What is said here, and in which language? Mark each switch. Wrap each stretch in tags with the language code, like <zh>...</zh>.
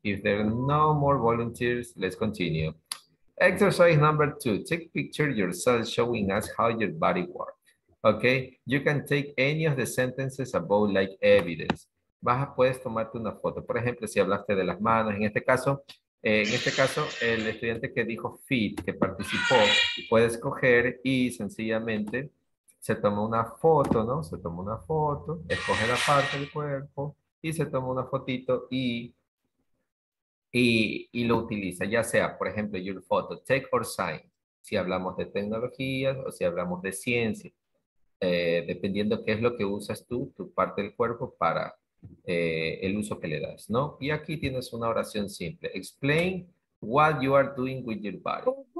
<en>If there are no more volunteers, let's continue. Exercise number 2. Take picture yourself showing us how your body works. Ok. You can take any of the sentences above like evidence.</en> <es>Puedes tomarte una foto. Por ejemplo, si hablaste de las manos. En este caso, el estudiante que dijo fit, que participó, puede escoger y sencillamente... Se toma una foto, ¿no? Se toma una foto, escoge la parte del cuerpo y se toma una fotito y lo utiliza. Ya sea, por ejemplo,</es> <en>your photo, take or sign.</en> <es>Si hablamos de tecnologías o si hablamos de ciencia. Dependiendo qué es lo que usas tú, tu parte del cuerpo para el uso que le das, ¿no? Y aquí tienes una oración simple.</es> <en>Explain what you are doing with your body.</en>